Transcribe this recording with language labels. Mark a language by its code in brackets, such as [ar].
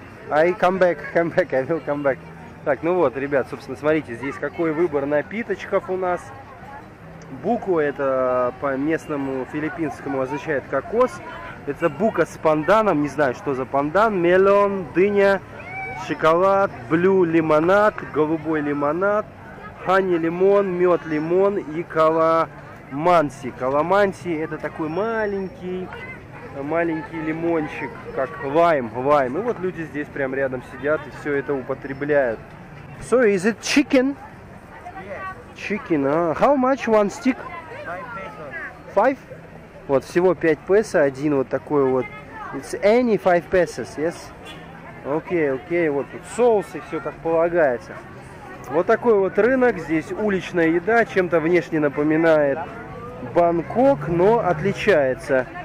[en] I come back, I will come back. [ru] Так, ну вот, ребят, собственно, смотрите, здесь какой выбор напиточков у нас. Буко, это по местному филиппинскому означает кокос. Это бука с панданом, не знаю, что за пандан. Мелон, дыня, шоколад, блю лимонад, голубой лимонад, хани лимон, мед лимон и каламанси. Каламанси — это такой маленький... маленький лимончик, как лайм, лайм. И вот люди здесь прям рядом сидят и все это употребляют. [en] So, is it chicken? Yes. Chicken, how much one stick? 5 pesos. 5? [ru] Вот, всего 5 песо, один вот такой вот. [en] It's any 5 pesos, yes? [ru] Окей, окей, вот тут соусы, все как полагается. Вот такой вот рынок, здесь уличная еда, чем-то внешне напоминает Бангкок, но отличается.